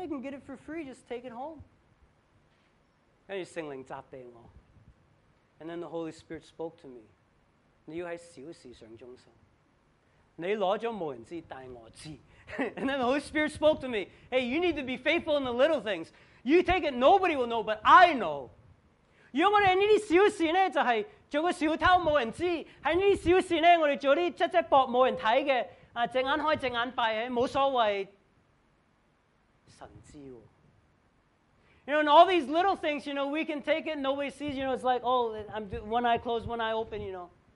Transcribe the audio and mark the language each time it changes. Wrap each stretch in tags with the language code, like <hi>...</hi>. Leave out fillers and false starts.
<en>Hey, I can get it for free, just take it home. And then the Holy Spirit spoke to me.</en> <zh>你要在小事上忠心。你拿了没人知道，但我知道。 And then the Holy Spirit spoke to me.</zh> <en>Hey, you need to be faithful in the little things. You take it, nobody will know, but I know.</en> <zh>如果我们在这些小事呢，就是做个小偷没人知道。在这些小事呢，我们做一些七七薄没人看的，只眼开只眼闭，没所谓。神知道。</zh> <en>You know, and all these little things, you know, we can take it, nobody sees, you know, it's like, oh, I'm one eye closed, one eye open, you know.</en>